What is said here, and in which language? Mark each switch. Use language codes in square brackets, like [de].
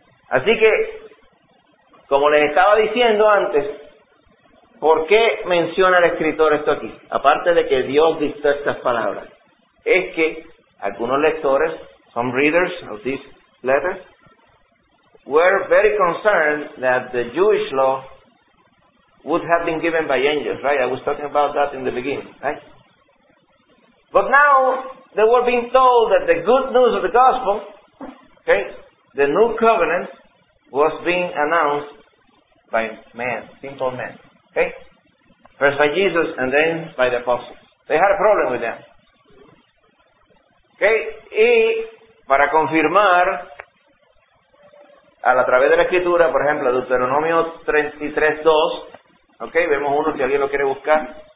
[es] Así que, como les estaba diciendo antes, ¿por qué menciona el escritor esto aquí? Aparte de que Dios dictó estas palabras. Es que algunos lectores, [en] some readers of these letters, were very concerned that the Jewish law would have been given by angels, right? I was talking about that in the beginning, right? But now, they were being told that the good news of the gospel, okay, the new covenant, was being announced by men, simple men. Okay? First by Jesus and then by the apostles. They had a problem with them. Okay? [es] Y para confirmar a través de la escritura, por ejemplo, Deuteronomio 33:2, okay, vemos uno si alguien lo quiere buscar.